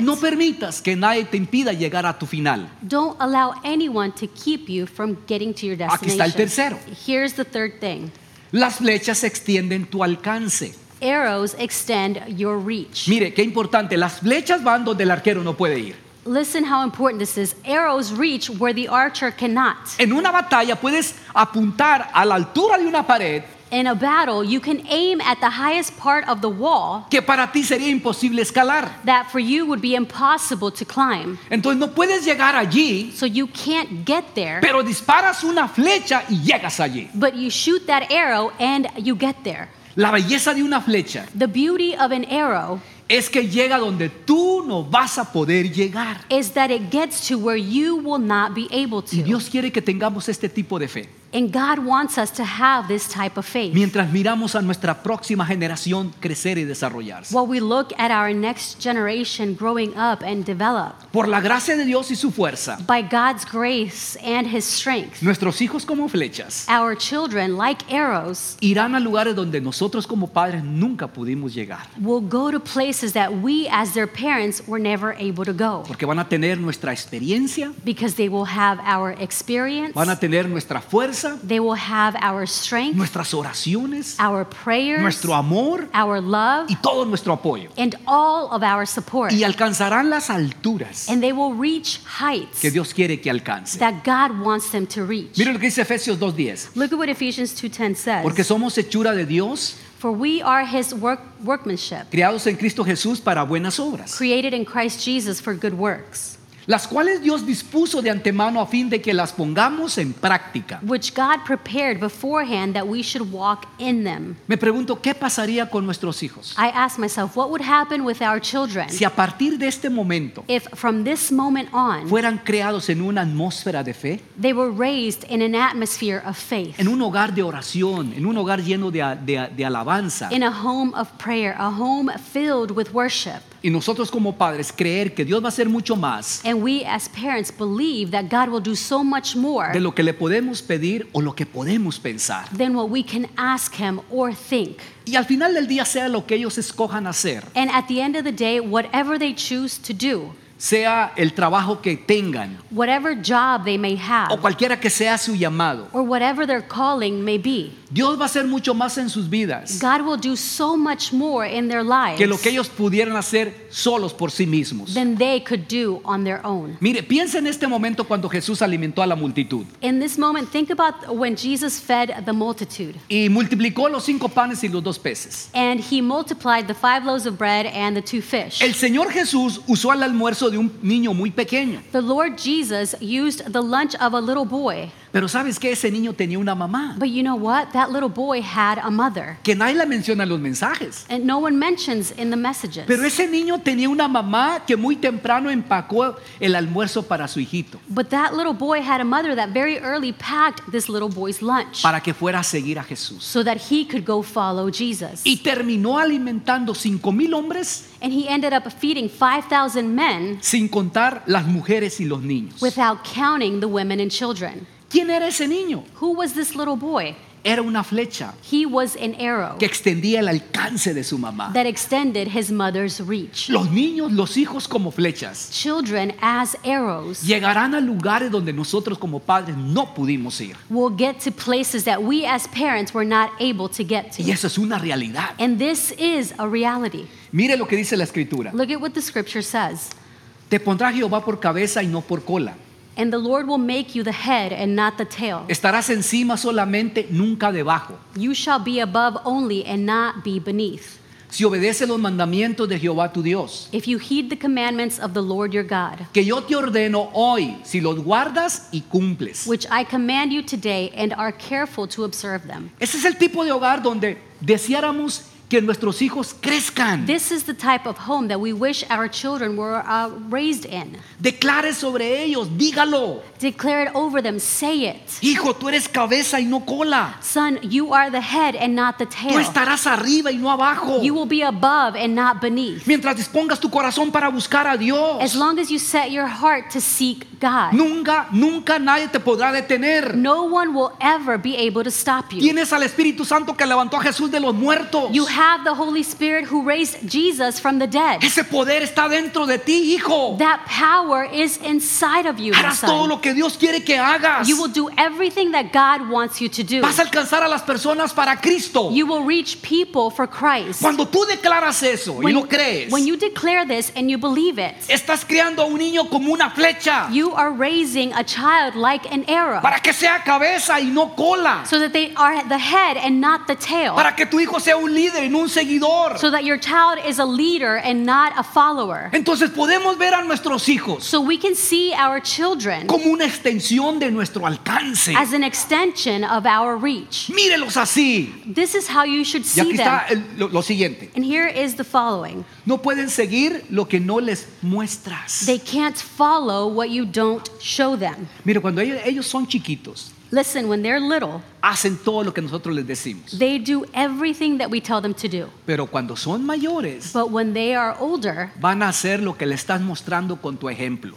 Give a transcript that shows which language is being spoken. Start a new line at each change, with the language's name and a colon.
Spanish: No permitas que nadie te impida llegar a tu final.
English: Don't allow anyone to keep you from getting to your destination.
Spanish: Aquí está el tercero.
English: Here's the third thing.
Spanish: Las flechas extienden tu alcance.
English: Arrows extend your reach.
Spanish: Mire, qué importante. Las flechas van donde el arquero no puede ir.
English: Listen how important this is. Arrows reach where the archer cannot.
Spanish: En una batalla puedes apuntar a la altura de una pared.
English: In a battle, you can aim at the highest part of the wall.
Spanish: Que para ti sería imposible escalar.
English: That for you would be impossible to climb.
Spanish: Entonces no puedes llegar allí.
English: So you can't get there.
Spanish: Pero disparas una flecha y llegas allí.
English: But you shoot that arrow and you get there.
Spanish: La belleza de una flecha.
English: The beauty of an arrow.
Spanish: Es que llega donde tú no vas a poder llegar.
English: Is that it gets to where you will not be able to.
Spanish: Y Dios quiere que tengamos este tipo de fe.
English: And God wants us to have this type of faith.
Spanish: Mientras miramos a nuestra próxima generación crecer y desarrollarse.
English: While we look at our next generation growing up and develop.
Spanish: Por la gracia de Dios y su fuerza.
English: By God's grace and His strength.
Spanish: Nuestros hijos como flechas.
English: Our children like arrows.
Spanish: Irán a lugares donde nosotros como padres nunca pudimos llegar.
English: Will go to places that we as their parents were never able to go.
Spanish: Porque van a tener nuestra experiencia.
English: Because they will have our experience.
Spanish: Van a tener nuestra fuerza.
English: They will have our strength,
Spanish: nuestras oraciones,
English: our prayers,
Spanish: nuestro amor,
English: our love,
Spanish: y todo nuestro apoyo,
English: and all of our support.
Spanish: Y alcanzarán las alturas,
English: and they will reach heights
Spanish: que Dios quiere que alcance,
English: that God wants them to reach.
Spanish: Mira lo que dice Efesios 2:10.
English: Look at what Ephesians 2:10 says.
Spanish: Porque somos hechura de Dios.
English: For we are His workmanship.
Spanish: Creados en Cristo Jesús para buenas obras.
English: Created in Christ Jesus for good works.
Spanish: Las cuales Dios dispuso de antemano a fin de que las pongamos en práctica.
English: Which God prepared beforehand that we should walk in them.
Spanish: Me pregunto, ¿qué pasaría con nuestros hijos?
English: I ask myself, what would happen with our children?
Spanish: Si a partir de este momento,
English: if from this moment on,
Spanish: fueran creados en una atmósfera de fe,
English: they were raised in an atmosphere of faith.
Spanish: En un hogar de oración, en un hogar lleno de alabanza.
English: In a home of prayer, a home filled with worship.
Spanish: Y nosotros como padres creer que Dios va a hacer mucho más.
English: And we as parents believe that God will do so much more.
Spanish: De lo que le podemos pedir o lo que podemos pensar.
English: Than what we can ask Him or think.
Spanish: Y al final del día sea lo que ellos escojan hacer.
English: And at the end of the day, whatever they choose to do.
Spanish: Sea el trabajo que tengan.
English: Whatever job they may have.
Spanish: O cualquiera que sea su llamado.
English: Or whatever their calling may be.
Spanish: Dios va a hacer mucho más en sus vidas.
English: God will do so much more in their lives.
Spanish: Que lo que ellos pudieran hacer solos por sí mismos.
English: Than they could do on their own.
Spanish: Mire, piensa en este momento cuando Jesús alimentó a la multitud.
English: In this moment, think about when Jesus fed the multitude.
Spanish: Y multiplicó los 5 panes y los 2 peces.
English: And he multiplied the 5 loaves of bread and the 2 fish.
Spanish: El Señor Jesús usó el almuerzo de un niño muy pequeño.
English: The Lord Jesus used the lunch of a little boy.
Spanish: Pero ¿sabes qué? Ese niño tenía una mamá.
English: But you know what? That little boy had a mother.
Spanish: Que nadie la menciona en los mensajes.
English: And no one mentions in the messages.
Spanish: Pero ese niño tenía una mamá que muy temprano empacó el almuerzo para su hijito.
English: But that little boy had a mother that very early packed this little boy's lunch.
Spanish: Para que fuera a seguir a Jesús.
English: So that he could go follow Jesus.
Spanish: Y terminó alimentando 5,000 hombres.
English: And he ended up feeding 5,000 men.
Spanish: Sin contar las mujeres y los niños.
English: Without counting the women and children.
Spanish: ¿Quién era ese niño?
English: Who was this little boy?
Spanish: era una flecha.
English: He was an arrow.
Spanish: Que extendía el alcance de su mamá.
English: That extended his mother's reach.
Spanish: Los niños, los hijos como flechas.
English: Children as arrows.
Spanish: Llegarán a lugares donde nosotros como padres no pudimos ir.
English: We'll get to places that we as parents were not able to get to.
Spanish: Y eso es una realidad.
English: And this is a reality.
Spanish: Mire lo que dice la escritura.
English: Look at what the scripture says.
Spanish: Te pondrá Jehová por cabeza y no por cola.
English: And the Lord will make you the head and not the tail.
Spanish: Estarás encima solamente, nunca debajo.
English: You shall be above only and not be beneath.
Spanish: Si obedeces los mandamientos de Jehová tu Dios.
English: If you heed the commandments of the Lord your God.
Spanish: Que yo te ordeno hoy, si los guardas y cumples.
English: Which I command you today and are careful to observe them.
Spanish: Ese es el tipo de hogar donde deseáramos que nuestros hijos crezcan.
English: This is the type of home that we wish our children were raised in.
Spanish: Declare sobre ellos, dígalo.
English: Declare it over them, say it.
Spanish: Hijo, tú eres cabeza y no cola.
English: Son, you are the head and not the tail.
Spanish: Tú estarás arriba y no abajo.
English: You will be above and not beneath.
Spanish: Mientras dispongas tu corazón para buscar a Dios.
English: As long as you set your heart to seek God.
Spanish: Nunca, nunca nadie te podrá detener.
English: No one will ever be able to stop you.
Spanish: Tienes al Espíritu Santo que levantó a Jesús de los muertos.
English: You have the Holy Spirit who raised Jesus from the dead.
Spanish: Ese poder está dentro de ti, hijo.
English: That power is inside of you,
Spanish: harás
English: son.
Spanish: Todo lo que Dios quiere que hagas.
English: You will do everything that God wants you to do.
Spanish: Vas a alcanzar a las personas para Cristo.
English: You will reach people for Christ.
Spanish: Cuando tú declaras eso y lo crees.
English: When you declare this and you believe it.
Spanish: Estás creando a un niño como una flecha.
English: You are raising a child like an arrow.
Spanish: Para que sea cabeza y no cola.
English: So that they are the head and not the tail.
Spanish: Para que tu hijo sea un líder.
English: So that your child is a leader and not a follower.
Spanish: Entonces podemos ver a nuestros hijos.
English: So we can see our children.
Spanish: Como una extensión de nuestro alcance.
English: As an extension of our reach.
Spanish: Mírelos así.
English: This is how you should see them.
Spanish: Y aquí está lo siguiente.
English: And here is the following.
Spanish: No pueden seguir lo que no les muestras.
English: They can't follow what you don't show them.
Spanish: Mira, cuando ellos son chiquitos.
English: Listen, when they're little,
Spanish: hacen todo lo que nosotros les decimos.
English: They do everything that we tell them to do.
Spanish: Pero cuando son mayores,
English: but when they are older,
Spanish: van a hacer lo que le estás mostrando con tu ejemplo.